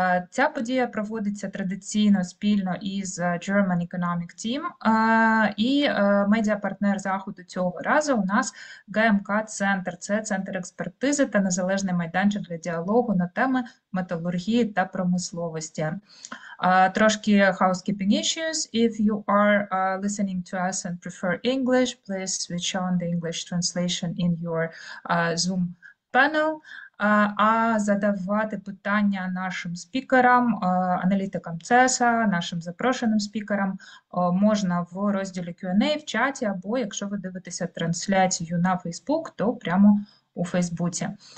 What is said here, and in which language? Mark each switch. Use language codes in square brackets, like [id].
[uk] Ця подія проводиться традиційно спільно із German Economic Team, і медіапартнер заходу цього разу у нас ГМК Центр. Це центр експертизи та незалежний майданчик для діалогу на теми металургії та промисловості. Трошки [en] housekeeping issues. If you are listening to us and prefer English, please switch on the English translation in your Zoom panel. [uk] А задавати питання нашим спікерам, аналітикам ЦЕСА, нашим запрошеним спікерам можна в розділі Q&A в чаті, або якщо ви дивитеся трансляцію на Facebook, то прямо у Фейсбуці.